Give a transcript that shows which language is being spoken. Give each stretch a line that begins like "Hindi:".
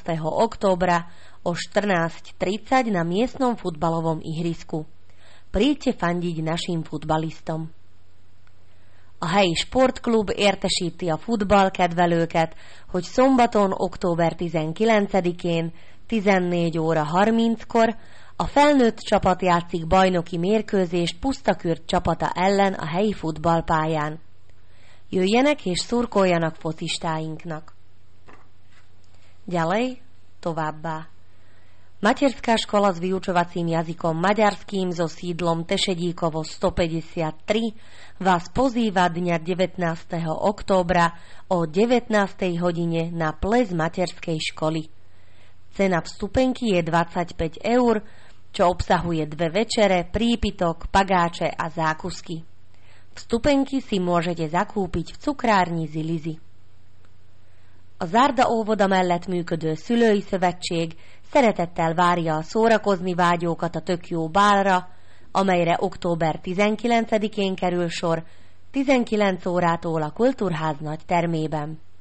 Slovak: októbra o 14:30 na miestnom futbalovom ihrisku. Príďte fandiť našim futbalistom.
Hungarian: A helyi sportklub értesíti a futballkedvelőket, hogy szombaton október 19-én 14 óra 30-kor a felnőtt csapat játszik bajnoki mérkőzés Pusztakürt csapata ellen a helyi futballpályán. Jöjjenek és szurkoljanak focistáinknak!
Slovak: Ďalej,
Hungarian: továbbá.
Slovak: Materská škola s vyučovacím jazykom maďarským so sídlom Tešedíkovo 153 vás pozýva dňa 19. októbra o 19. hodine na ples materskej školy. Cena vstupenky je 25 eur, čo obsahuje dve večere, prípitok, pagáče a zákusky. Vstupenky si môžete zakúpiť v cukrárni Zilizi.
Hungarian: A Zárda óvoda mellett működő szülői szövetség szeretettel várja a szórakozni vágyókat a Tök jó bálra, amelyre október 19-én kerül sor, 19 órától a Kultúrház nagy termében.